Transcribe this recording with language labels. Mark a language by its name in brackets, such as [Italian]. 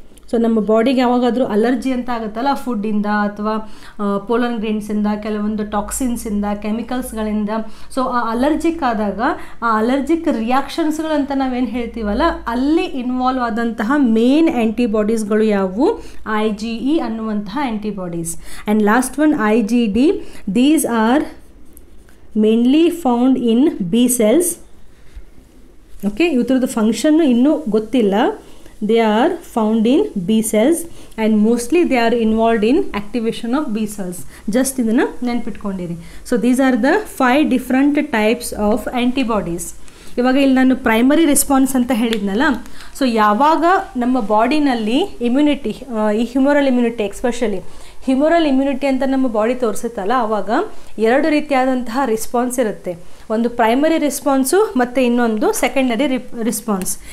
[Kannada] So ನಮ್ಮ ಬಾಡಿಗೆ ಯಾವಾಗಾದರೂ ಅಲರ್ಜಿ ಅಂತ ಆಗುತ್ತಲ್ಲ, ಫುಡ್ಡಿಂದ ಅಥವಾ ಪೋಲನ್ ಗ್ರೇನ್ಸಿಂದ, ಕೆಲವೊಂದು ಟಾಕ್ಸಿನ್ಸಿಂದ, ಕೆಮಿಕಲ್ಸ್ಗಳಿಂದ, ಸೊ ಆ ಅಲರ್ಜಿಕ್ ಆದಾಗ ಆ ಅಲರ್ಜಿಕ್ ರಿಯಾಕ್ಷನ್ಸ್ಗಳಂತ ನಾವೇನು ಹೇಳ್ತೀವಲ್ಲ, ಅಲ್ಲಿ ಇನ್ವಾಲ್ವ್ ಆದಂತಹ ಮೇನ್ ಆ್ಯಂಟಿಬಾಡೀಸ್ಗಳು ಯಾವುವು? [English] I G E ಅನ್ನುವಂತಹ antibodies. And last one I G D, these are mainly found in B cells. [Kannada] Okay, ಇವ್ರದ್ದು ಫಂಕ್ಷನ್ನು ಇನ್ನೂ ಗೊತ್ತಿಲ್ಲ. [English] They are found in B cells and mostly they are involved in activation of B cells. [Kannada] Just idana nenpitkondiri. [English] So these are the 5 different types of antibodies. [Kannada] ಇವಾಗ ಇಲ್ಲಿ ನಾನು primary response ಅಂತ ಹೇಳಿದ್ನಲ್ಲ, so ಯಾವಾಗ ನಮ್ಮ ಬಾಡಿನಲ್ಲಿ immunity, ಈ humoral immunity especially humoral immunity ಅಂತ ನಮ್ಮ ಬಾಡಿ ತೋರಿಸುತ್ತಲ್ಲ, ಆವಾಗ ಎರಡು ರೀತಿಯಾದಂತಹ ರೆಸ್ಪಾನ್ಸ್ ಇರುತ್ತೆ. ಒಂದು ಪ್ರೈಮರಿ ರೆಸ್ಪಾನ್ಸು ಮತ್ತು ಇನ್ನೊಂದು ಸೆಕೆಂಡರಿ ರೆಸ್ಪಾನ್ಸ್.